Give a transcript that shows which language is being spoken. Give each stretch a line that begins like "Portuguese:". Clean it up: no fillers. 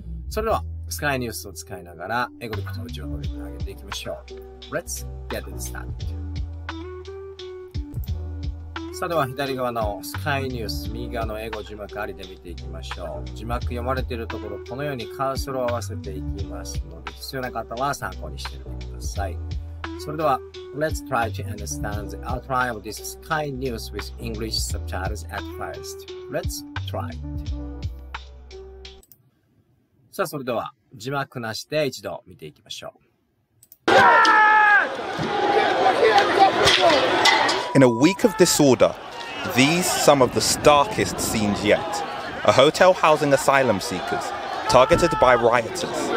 Japanese: それではスカイニュースを使いながら英語力と情報力を上げていきましょう。
English: Let's get it started。
Japanese: さあ、では左側のスカイニュース、右側の英語字幕ありで見ていきましょう。字幕読まれているところ、このようにカーソルを合わせていきますので、必要な方は参考にしてみてください。
English: それでは、Let's try to understand the outline of this Sky News with English subtitles at first. Let's try it.
Japanese: さあ、それでは字幕なしで一度見ていきましょう。
English: In a week of disorder, these some of the starkest scenes yet. A hotel housing asylum seekers, targeted by rioters.